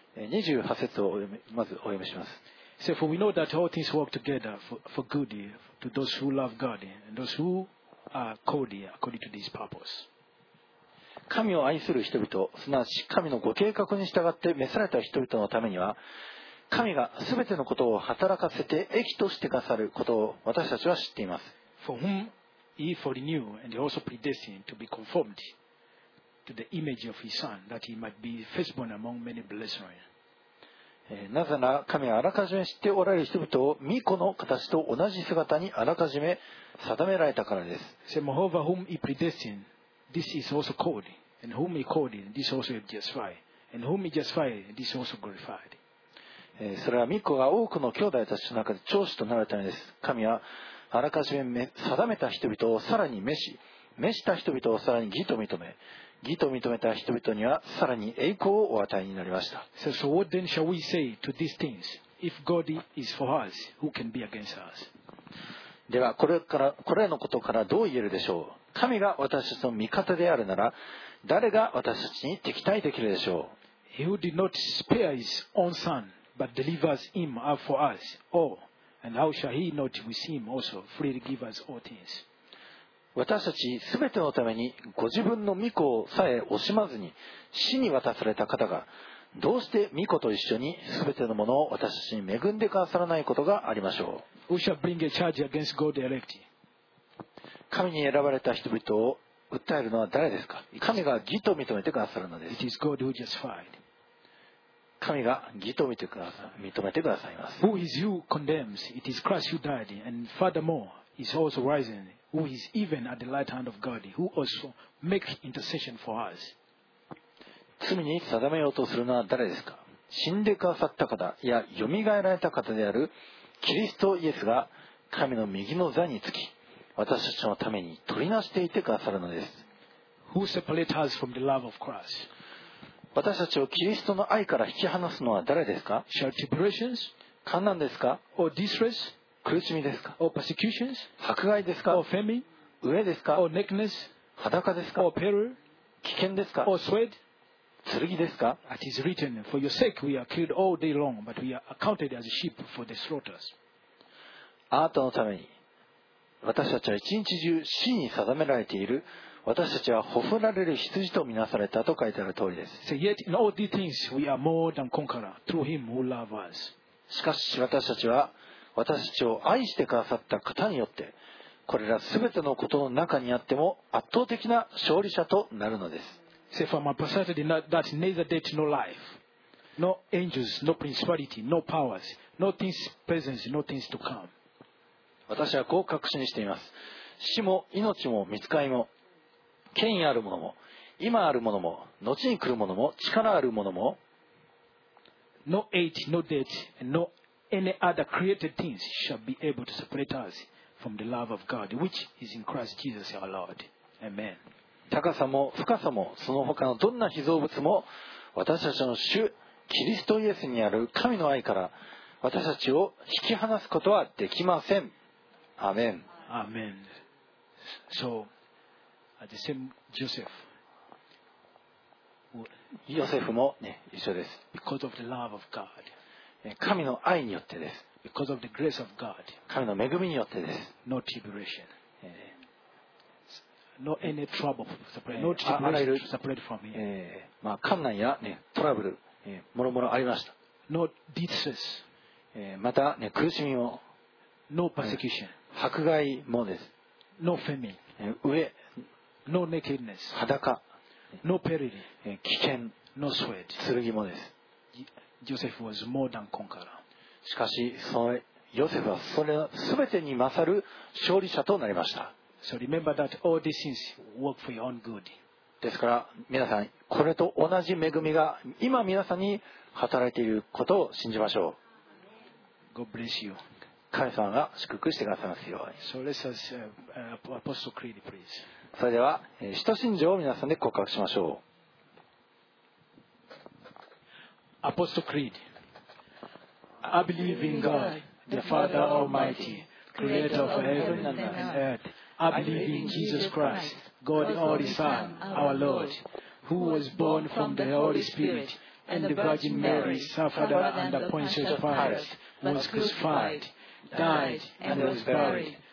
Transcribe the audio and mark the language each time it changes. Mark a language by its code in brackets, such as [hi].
[ja] 28節をまずお読みします。 [en] So for we know that all things work together for good to those who love God and those who are called according to His purpose. [ja] 神を愛する人々、すなわち神のご計画に従って召された人々のためには、神がすべてのことを働かせて益としてくださることを私たちは知っています。 [en] For whom He foreknew and also predestined to be conformed to the image of His Son, that He might be firstborn among many brethren. [ja] なぜなら神はあらかじめ知っておられる人々を御子の形と同じ姿にあらかじめ定められたからです。 [en] Moreover, whom he predestined, this is also called. And whom he called, this also he justified. And whom he justified, this also glorified. [ja] それは御子が多くの兄弟たちの中で長子となるためです。神はあらかじめ定めた人々をさらに召し、召した人々をさらに義と認め、義と認めた人々にはさらに栄光をお与えになりました。 [en] So what then shall we say to these things? If God is for us, who can be against us? [ja] ではこれらのことからどう言えるでしょう。神が私たちの味方であるなら、誰が私たちに敵対できるでしょう。 [en] He who did not spare his own son, but delivers him up for us all, and how shall he not with him also freely give us all things? [ja] 私たちすべてのためにご自分の御子をさえ惜しまずに死に渡された方が、どうして御子と一緒にすべてのものを私たちに恵んでくださらないことがありましょう。 [en] Who shall bring a charge against God's elect? [ja] 神に選ばれた人々を訴えるのは誰ですか。神が義と認めてくださるのです。 [en] It is God who justified. [ja] 神が義と認めてくださいます。 [en] Who is you condemns? It is Christ who died, and furthermore, is also risen, who is even at the right hand of God, who also makes intercession for us. [ja] 罪に定めようとするのは誰ですか。死んでくださった方、いや、よみがえられた方であるキリストイエスが神の右の座につき、私たちのために取りなしていてくださるのです。 [en] Who separates us from the love of Christ? [ja] 私たちをキリストの愛から引き離すのは誰ですか。 [en] Shall tribulations? [ja] 患難ですか。 [en] Or distress? [ja] 苦しみですか。 [en] Or persecutions? [ja] 迫害ですか。 [en] Or famine? [ja] 飢えですか。 [en] Or nakedness? [ja] 裸ですか。 [en] Or peril? [ja] 危険ですか。 [en] Or sweat? [ja] 剣ですか? [en] It is written, for your sake we are killed all day long, but we are accounted as sheep for the slaughter. [ja] あなたのために、私たちは一日中死に定められている、私たちはほふられる羊とみなされたと書いてある通りです。 [en] So、yet in all these things we are more than conqueror through him who loved us. [ja] しかし私たちは、私たちを愛してくださった方によって、これらすべてのことの中にあっても圧倒的な勝利者となるのです。 [en] Say for my possessed in that neither death nor life, nor angels, nor principality, nor powers, nor things present, nor things to come. [ja] 私はこう確信しています。死も命も見つかりも、権威あるものも、今あるものも、後に来るものも、力あるものも、 [en] no age, no death, and no any other created things shall be able to separate us from the love of God, which is in Christ Jesus our Lord. Amen. [ja] 高さも深さもその他のどんな被造物も私たちの主キリストイエスにある神の愛から私たちを引き離すことはできません。アメン。アメン。 [en] So, at the same Joseph. [ja] ヨセフも、ね、一緒です。 [en] Because of the love of God. [ja] 神の愛によってです。 [en] Because of the grace of God. [ja] 神の恵みによってです。 [en] No tribulation. No any trouble, no separate from me. [ja] まあ困難やねトラブル、もろもろありました。 [en] No distress. [ja] またね苦しみも。 [en] No persecution. [ja] 迫害もです。 [en] No famine. [ja] 飢え。 [en] No nakedness. [ja] 裸。 [en] No peril. [ja] 危険。 [en] No sweat. [ja] 剣もです。 [en] Joseph was more than conqueror. [ja] しかしそのヨセフはそれ全てに勝る勝利者となりました。 [en] So remember that all these things work for your own good. [ja] ですから皆さんこれと同じ恵みが今皆さんに働いていることを信じましょう。 [en] God bless you. [ja] 神様が祝福してくださいますように。 [en] So let's us Apostle Creed, please. [ja] それでは使徒信条を皆さんで告白しましょう。 [en] Apostle Creed. I believe in God, the Father Almighty, Creator of heaven and earth. I believe in Jesus Christ, God's only Son, our Lord, who was born from the Holy Spirit, and the Virgin Mary suffered under Pontius Pilate, was crucified, died, and was buried.